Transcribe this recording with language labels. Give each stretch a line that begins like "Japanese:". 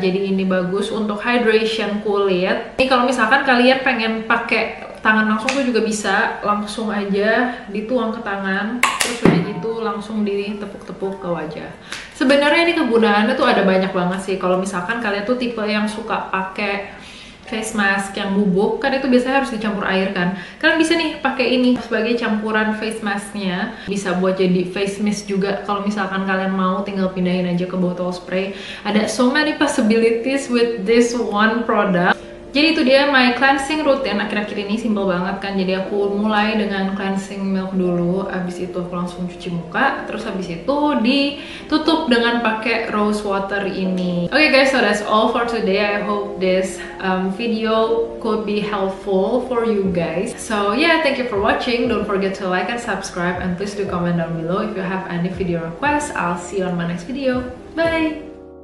Indonesian: Jadi ini bagus untuk hydration kulit. Ini kalau misalkan kalian pengen pakai tangan langsung tuh juga bisa, langsung aja dituang ke tangan, terus udah gitu langsung ditepuk-tepuk ke wajah. Sebenarnya ini kegunaannya tuh ada banyak banget sih. Kalau misalkan kalian tuh tipe yang suka pakai face mask yang bubuk, kan itu biasanya harus dicampur air kan. Kalian bisa nih pakai ini sebagai campuran face masknya. Bisa buat jadi face mist juga. Kalau misalkan kalian mau, tinggal pindahin aja ke botol spray. Ada
English: so many possibilities with this one product.
Indonesian: Jadi itu dia
English: my cleansing routine
Indonesian: akhir-akhir ini, simple banget kan. Jadi aku mulai dengan cleansing milk dulu, abis itu aku langsung cuci muka, terus abis itu ditutup dengan pakai rose water ini.
English: Okay guys, so that's all for today. I hope this video could be helpful for you guys. So yeah, thank you for watching. Don't forget to like and subscribe, and please do comment down below if you have any video requests. I'll see you on my next video. Bye.